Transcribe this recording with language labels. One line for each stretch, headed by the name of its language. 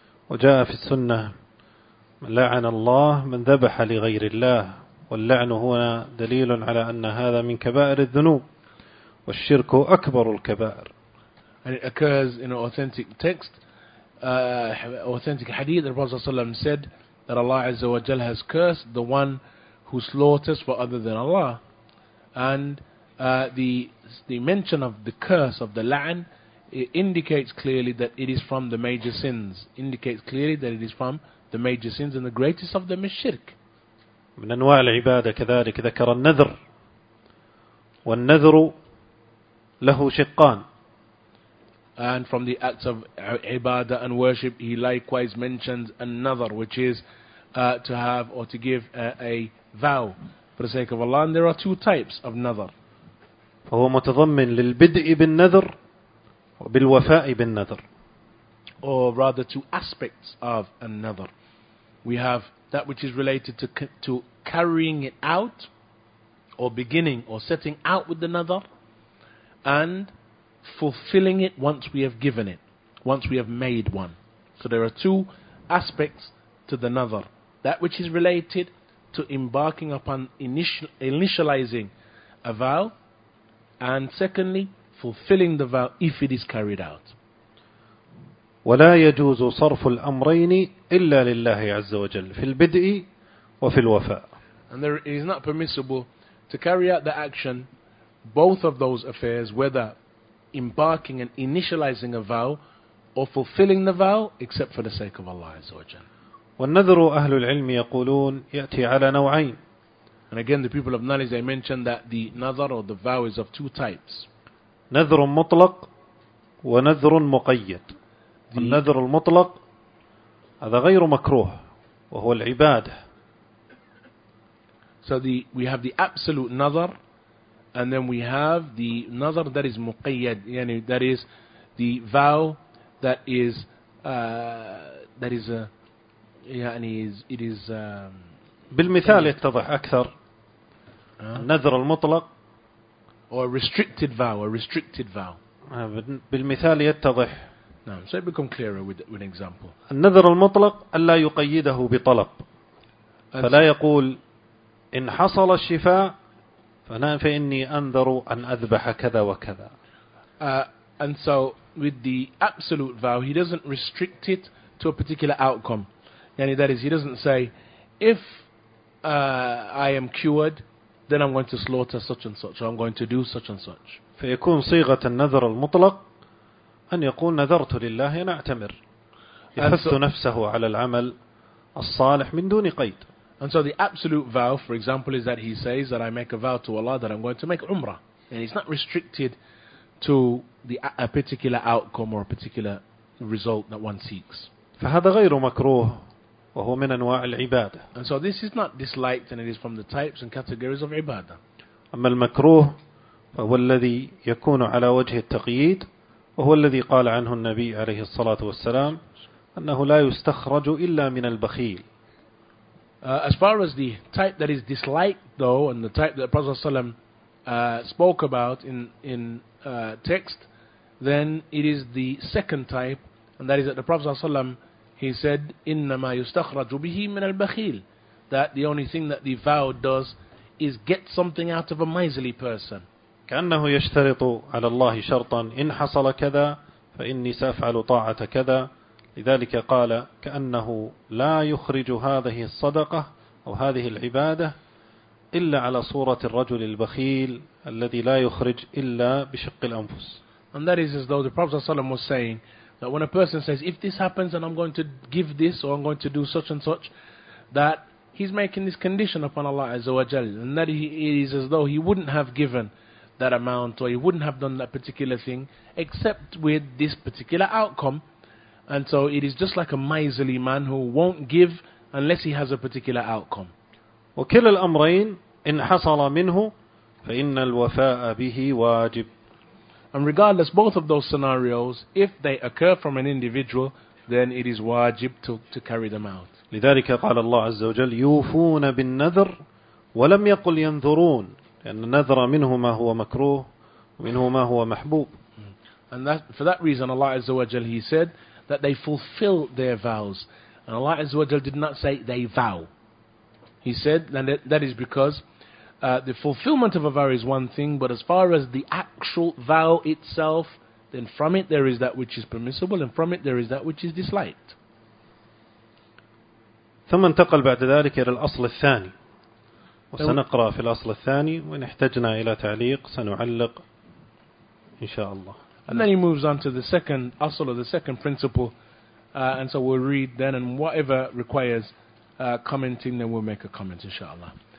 Arabic: وجاء في السنة من لعن الله من ذبح لغير الله, واللعن هنا دليل على أن هذا من كبائر الذنوب والشرك أكبر الكبائر.
English: And it occurs in an authentic text, authentic hadith, the Prophet
Arabic: صلى الله عليه وسلم
English: said that Allah Azza wa Jal has cursed the one who slaughters for other than Allah. And the mention of the curse of the la'an, it indicates clearly that it is from the major sins. Indicates clearly that it is from the major sins, and the greatest of them is shirk.
Arabic: من أنواع العبادة كذلك ذكر النذر, والنذر له شقان.
English: And from the acts of ibadah and worship, he likewise mentions another, which is to have or to give a vow for the sake of Allah. And there are two types of nadhar.
Arabic: فهو متضمن للبدء بالنذر وبالوفاء بالنذر.
English: Or rather two aspects of an-nadhar. We have that which is related to carrying it out, or beginning or setting out with the nadhar, and fulfilling it once we have given it, once we have made one. So there are two aspects to the nadhar. That which is related to embarking upon initializing a vow, and secondly, fulfilling the vow if it is carried out.
Arabic: ولا يجوز صرف الأمرين إلا لله عز وجل في البدء وفي الوفاء.
English: And there, it is not permissible to carry out the action, both of those affairs, whether embarking and initializing a vow or fulfilling the vow, except for the sake of Allah عز وجل.
Arabic: والنذر أهل العلم يقولون يأتي على نوعين.
English: And again, the people of knowledge, they mentioned that the nadhar or the vow is of two types.
Arabic: نذر مطلق ونذر مقيد. النذر المطلق هذا غير مكروه وهو العبادة.
English: So we have the absolute nadhar, and then we have the nadhar that is muqayyad, yani that is the vow that is that is يعني it is
Arabic: بالمثال يتضح أكثر النذر المطلق
English: or restricted vow or restricted vow
Arabic: بالمثال يتضح
English: نعم so it become clearer with example
Arabic: النذر المطلق ألا يقيده بطلب فلا يقول إن حصل الشفاء فإني أنذر أن أذبح كذا وكذا
English: and so with the absolute vow he doesn't restrict it to a particular outcome يعني that is he doesn't say if I am cured then I'm going to slaughter such and such or I'm going to do such and such
Arabic: فيكون صيغة النذر المطلق أن يقول نذرت لله أن أعتمر يحث نفسه على العمل الصالح من دون قيد
English: And so the absolute vow, for example, is that he says that I make a vow to Allah that I'm going to make Umrah. And it's not restricted to a particular outcome or a particular result that one seeks.
Arabic: فهذا غير مكروه وهو من أنواع العبادة.
English: And so this is not disliked and it is from the types and categories of ibadah.
Arabic: أما المكروه فهو الذي يكون على وجه التقييد وهو الذي قال عنه النبي عليه الصلاة والسلام أنه لا يستخرج إلا من البخيل.
English: As far as the type that is disliked, though, and the type that the Prophet ﷺ spoke about in text, then it is the second type, and that is that the Prophet ﷺ he said,
Arabic: "إنما يستخرج به من البخيل,"
English: that the only thing that the vow does is get something out of a miserly person.
Arabic: كأنه يشترط على الله شرطا إن حصل كذا فإني سأفعل طاعة كذا. لذلك قال كأنه لا يخرج هذه الصدقة أو هذه العبادة إلا على صورة الرجل البخيل الذي لا يخرج إلا بشق الأنفس.
English: And that is as though the Prophet ﷺ was saying that when a person says if this happens and I'm going to give this or I'm going to do such and such, that he's making this condition upon Allah عز وجل, and that it is as though he wouldn't have given that amount or he wouldn't have done that particular thing except with this particular outcome. And so it is just like a miserly man who won't give unless he has a particular outcome.
Arabic: وكل الأمرين إن حصل منه فإن الوفاء به واجب.
English: And regardless both of those scenarios, if they occur from an individual, then it is wajib to carry them out.
Arabic: لذلك قال الله عز وجل يوفون بالنذر ولم يقل ينذرون لأن النذر منه ما هو مكروه ومنه ما هو محبوب.
English: And that, for that reason Allah عز وجل he said that they fulfill their vows. And Allah Azza wa Jalla did not say they vow. He said that is because the fulfillment of a vow is one thing, but as far as the actual vow itself, then from it there is that which is permissible and from it there is that which is disliked.
Arabic: ثم انتقل بعد ذلك إلى الأصل الثاني. وسنقرأ في الأصل الثاني وإن احتجنا إلى تعليق سنعلق إن شاء الله.
English: And then he moves on to the second asl or the second principle, and so we'll read then, and whatever requires commenting, then we'll make a comment, inshallah.